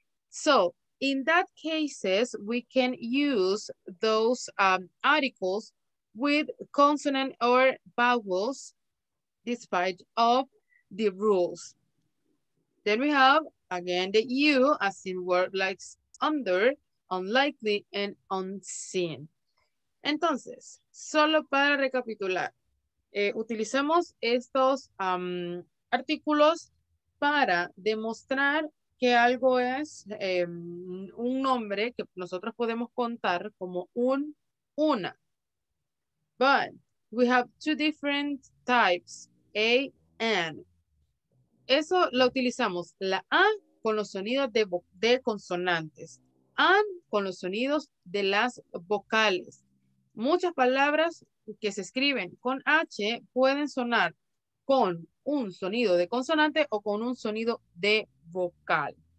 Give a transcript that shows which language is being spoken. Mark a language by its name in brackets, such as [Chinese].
[English] So in that cases, we can use those articles with consonant or vowels despite of the rules. Then we have again the U, as in word like under, unlikely, and unseen. [Spanish] Entonces, solo para recapitular, utilizamos estos artículos para demostrar que algo es un nombre que nosotros podemos contar como un, una. [English] But we have two different types, A, N. [Spanish] Eso lo utilizamos, la A con los sonidos de consonantes, AN con los sonidos de las vocales. Muchas palabras que se escriben con H pueden sonar con un sonido de consonante o con un sonido de vocal.